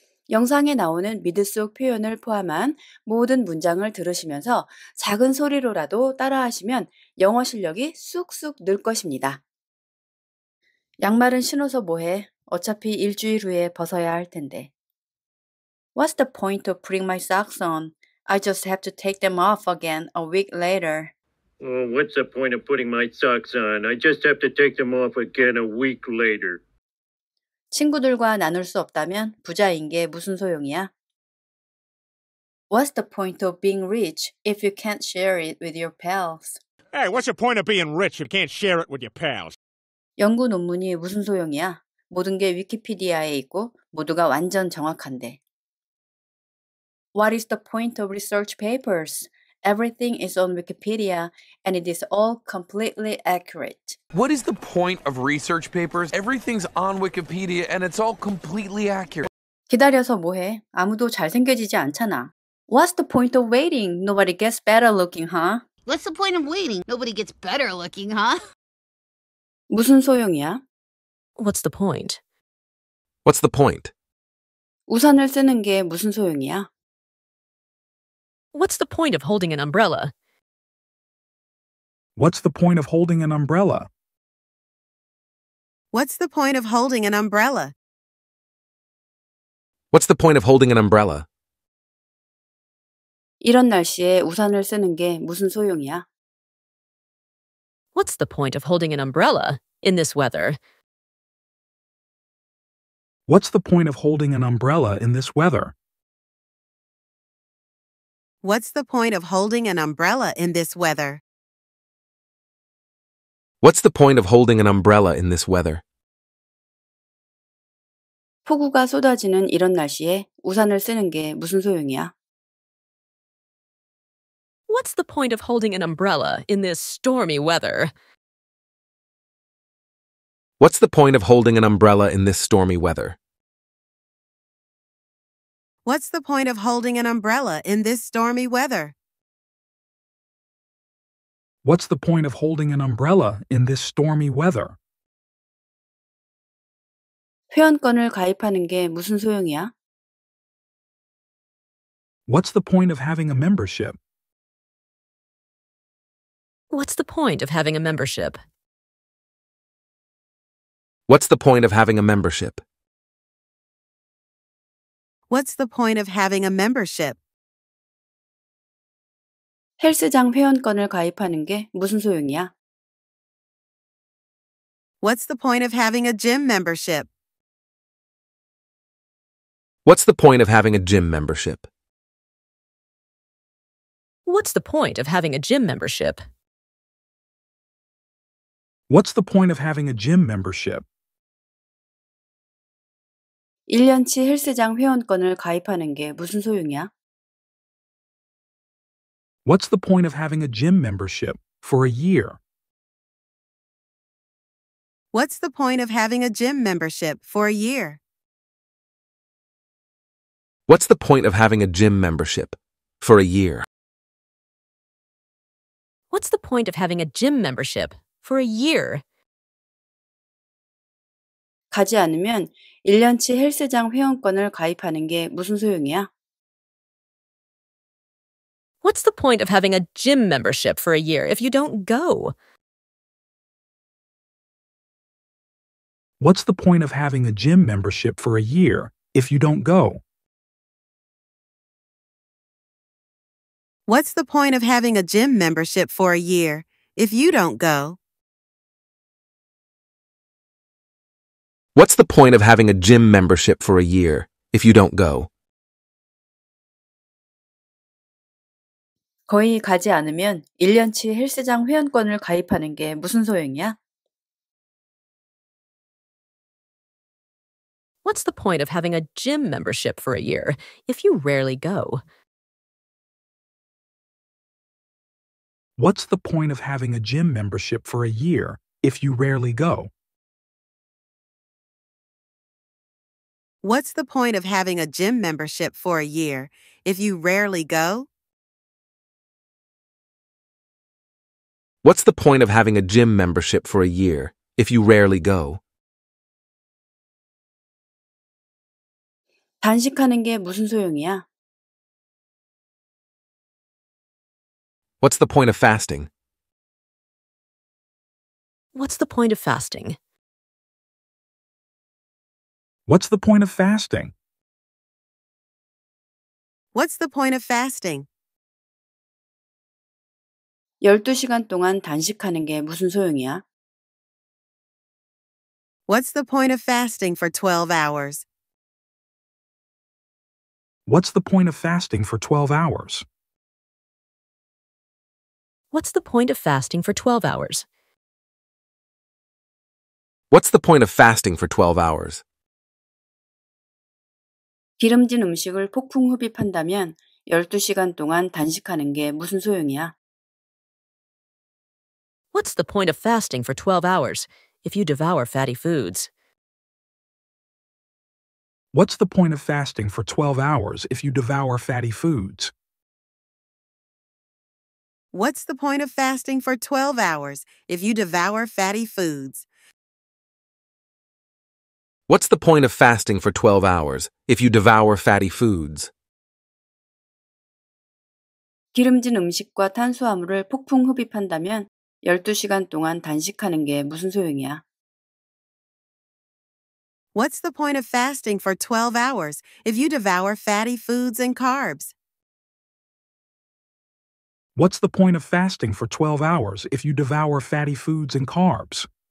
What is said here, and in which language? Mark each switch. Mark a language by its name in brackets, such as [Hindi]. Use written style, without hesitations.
[Korean] 영상에 나오는 미드 속 표현을 포함한 모든 문장을 들으시면서 작은 소리로라도 따라하시면 영어 실력이 쑥쑥 늘 것입니다. 양말은 신어서 뭐해? 어차피 일주일 후에 벗어야 할 텐데. [English] What's the point of putting my socks on? I just have to take them off again a week later. Oh, what's the point of putting my socks on? I just have to take them off again a week later. [Korean] 친구들과 나눌 수 없다면 부자인 게 무슨 소용이야? [English] What's the point of being rich if you can't share it with your pals? Hey, what's the point of being rich if you can't share it with your pals? [Korean] 연구 논문이 무슨 소용이야? 모든 게 위키피디아에 있고 모두가 완전 정확한데. [English] What is the point of research papers? Everything is on Wikipedia and it is all completely accurate. What is the point of research papers? Everything's on Wikipedia and it's all completely accurate. [Korean] 기다려서 뭐해? 아무도 잘생겨지지 않잖아. [English] What's the point of waiting? Nobody gets better looking, huh? What's the point of waiting? Nobody gets better looking, huh? [Korean] 무슨 소용이야? [English] What's the point? What's the point? [Korean] 우산을 쓰는 게 무슨 소용이야? [English] What's the point of holding an umbrella? What's the point of holding an umbrella? What's the point of holding an umbrella? What's the point of holding an umbrella? [Korean] 이런 날씨에 우산을 쓰는 게 무슨 소용이야? [English] What's the point of holding an umbrella in this weather? What's the point of holding an umbrella in this weather? What's the point of holding an umbrella in this weather? What's the point of holding an umbrella in this weather? [Korean] 폭우가 쏟아지는 이런 날씨에 우산을 쓰는 게 무슨 소용이야? [English] What's the point of holding an umbrella in this stormy weather? What's the point of holding an umbrella in this stormy weather? What's the point of holding an umbrella in this stormy weather? What's the point of holding an umbrella in this stormy weather? [Korean] 회원권을 가입하는 게 무슨 소용이야? [English] What's the point of having a membership? What's the point of having a membership? What's the point of having a membership? What's the point of having a membership? [Korean] 헬스장 회원권을 가입하는 게 무슨 소용이야? [English] What's the point of having a gym membership? What's the point of having a gym membership? What's the point of having a gym membership? What's the point of having a gym membership? [Korean] 1년치 헬스장 회원권을 가입하는 게 무슨 소용이야? [English] What's the point of having a gym membership for a year? What's the point of having a gym membership for a year? What's the point of having a gym membership for a year? What's the point of having a gym membership for a year? [Korean] 가지 않으면 1년치 헬스장 회원권을 가입하는 게 무슨 소용이야? [English] What's the point of having a gym membership for a year if you don't go? What's the point of having a gym membership for a year if you don't go? What's the point of having a gym membership for a year if you don't go? What's the point of having a gym membership for a year if you don't go? [Korean] 거의 가지 않으면 1년치 헬스장 회원권을 가입하는 게 무슨 소용이야? [English] What's the point of having a gym membership for a year if you rarely go? What's the point of having a gym membership for a year if you rarely go? What's the point of having a gym membership for a year if you rarely go? What's the point of having a gym membership for a year if you rarely go? [Korean] 단식하는 게 무슨 소용이야? [English] What's the point of fasting? What's the point of fasting? What's the point of fasting? What's the point of fasting? [Korean] 12시간 동안 단식하는 게 무슨 소용이야? [English] What's the point of fasting for 12 hours? What's the point of fasting for 12 hours? What's the point of fasting for 12 hours? What's the point of fasting for 12 hours? [Korean] 기름진 음식을 폭풍 흡입한다면 12시간 동안 단식하는 게 무슨 소용이야? [English] What's the point of fasting for 12 hours if you devour fatty foods? What's the point of fasting for 12 hours if you devour fatty foods? What's the point of fasting for 12 hours if you devour fatty foods? What's the point of fasting for 12 hours if you devour fatty foods? [Korean] 기름진 음식과 탄수화물을 폭풍 흡입한다면 12시간 동안 단식하는 게 무슨 소용이야? [English] What's the point of fasting for 12 hours if you devour fatty foods and carbs? What's the point of fasting for 12 hours if you devour fatty foods and carbs?